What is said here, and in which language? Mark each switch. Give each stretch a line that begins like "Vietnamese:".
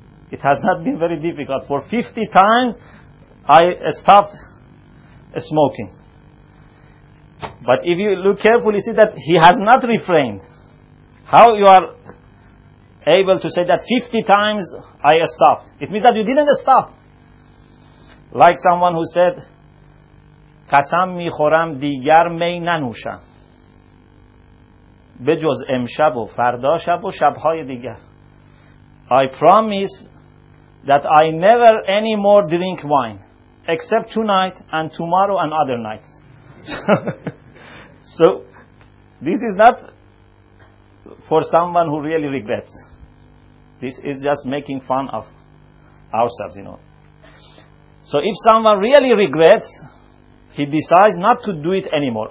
English: It has not been very difficult. For 50 times, I stopped smoking. But if you look carefully, you see that he has not refrained. How you are able to say that 50 times I stopped? It means that you didn't stop. Like someone who said,
Persian: قسم میخورم دیگر می ننوشم به جز امشب و فردا شب و شبهای دیگر.
English: I promise that I never any more drink wine except tonight and tomorrow and other nights. So this is not for someone who really regrets. This is just making fun of ourselves, you know. So if someone really regrets, he decides not to do it anymore.